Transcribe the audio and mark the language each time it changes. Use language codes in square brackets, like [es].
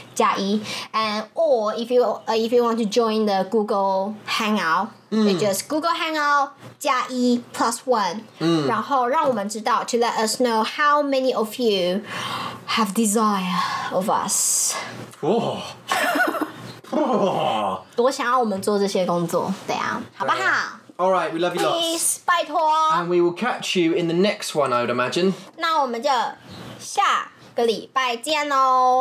[en] 加一, and or if you want to join the Google Hangout, you just Google Hangout 加一 plus one. [zh] 然后让我们知道 [en] to let us know how many of you have desire of us. Oh, [zh] 多想要我们做这些工作，对啊，好不好？ [en] All right, we love you Please, lots. Please, 拜托. And we will catch you in the next one, I would imagine. [zh] 那我们就下个礼拜见哦。